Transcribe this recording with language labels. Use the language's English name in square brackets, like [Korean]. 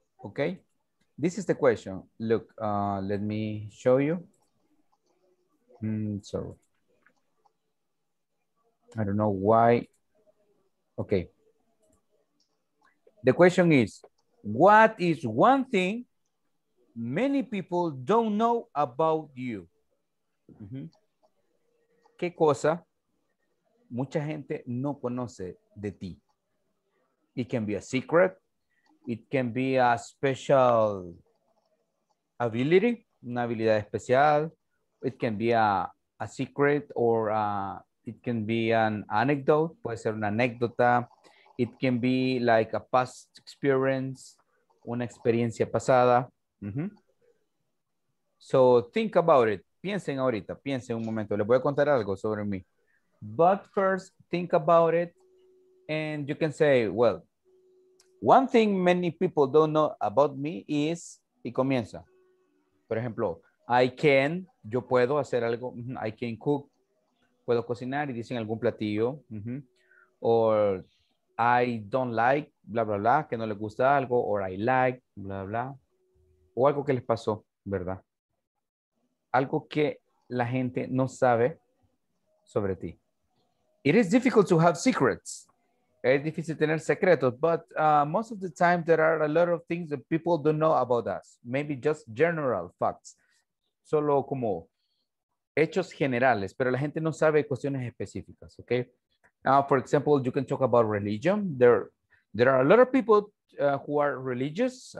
[English] Okay, this is the question. Look, let me show you. Sorry. I don't know why. Okay. The question is, what is one thing many people don't know about you? Mm-hmm. [Spanish] ¿Qué cosa mucha gente no conoce de ti? [English] It can be a secret. It can be a special ability, [Spanish] una habilidad especial. [English] It can be a secret or it can be an anecdote. [Spanish] Puede ser una anécdota. [English] It can be like a past experience. [Spanish] una experiencia pasada. [English] Mm-hmm. So think about it. [Spanish] Piensen ahorita, piensen un momento. Les voy a contar algo sobre mí. [English] But first, think about it. And you can say, well, one thing many people don't know about me is, [Spanish] y comienza. Por ejemplo, [English] I can, [Spanish] yo puedo hacer algo. [English] I can cook, [Spanish] puedo cocinar y dicen algún platillo. Mm-hmm. [English] Or I don't like, [Spanish] bla, bla, bla, que no les gusta algo. [English] Or I like, [Spanish] bla, bla. O algo que les pasó, ¿verdad? Algo que la gente no sabe sobre ti. [English] It is difficult to have secrets. [Spanish] Es difícil tener secretos, [English] but most of the time there are a lot of things that people don't know about us. Maybe just general facts. [Spanish] Solo como hechos generales, pero la gente no sabe cuestiones específicas, okay? [English] Now, for example, you can talk about religion. There are a lot of people who are religious.